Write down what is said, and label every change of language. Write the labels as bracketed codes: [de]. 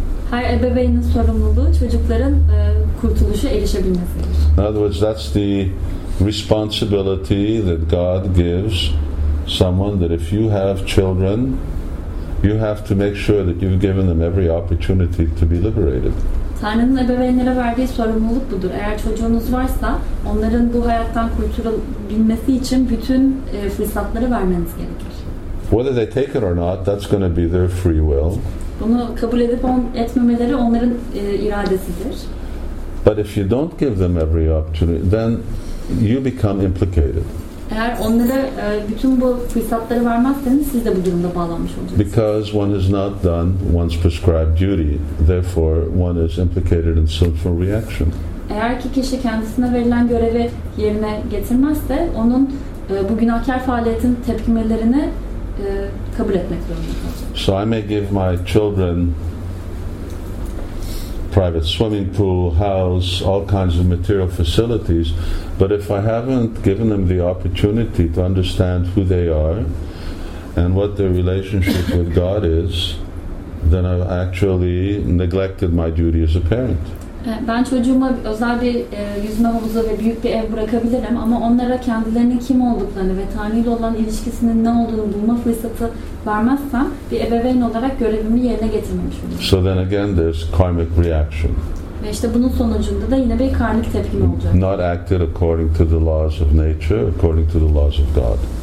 [tr] Her ebeveynin sorumluluğu çocukların kurtuluşa erişebilmesidir. [en] In other words, that's the responsibility that God gives someone, that if you have children, you have to make sure that you've given them every opportunity to be liberated. [tr] Tanrı'nın ebeveynlere verdiği sorumluluk budur. Eğer çocuğunuz varsa, onların bu hayattan kurtulabilmesi için bütün fırsatları vermeniz gerekir. [en] Whether they take it or not, that's going to be their free will. [tr] Bunu kabul edip etmemeleri onların iradesidir. [en] But if you don't give them every opportunity, then you become implicated. [tr] Eğer onlara bütün bu fırsatları vermezseniz siz de bu durumda bağlanmış olacaksınız. [en] Because one has not done one's prescribed duty, therefore one is implicated in sinful reaction. [tr] Eğer ki kişi kendisine verilen görevi yerine getirmezse onun bu günahkar faaliyetin tepkimelerini kabul etmek zorunda kalacak. [en] So I may give my children private swimming pool, house, all kinds of material facilities, but if I haven't given them the opportunity to understand who they are and what their relationship with God is, then I've actually neglected my duty as a parent. [tr] Ben çocuğuma özel bir yüzme havuzu ve büyük bir ev bırakabilirim ama onlara kendilerinin kim olduklarını ve Tanrı ile olan ilişkisinin ne olduğunu bulma fırsatı vermezsem bir ebeveyn olarak görevimi yerine getirmemiş olurum. [en] So then again there's karmic reaction. [tr] Ve işte bunun sonucunda da yine bir karmik tepkim olacak. [en] Not acted according to the laws of nature, according to the laws of God.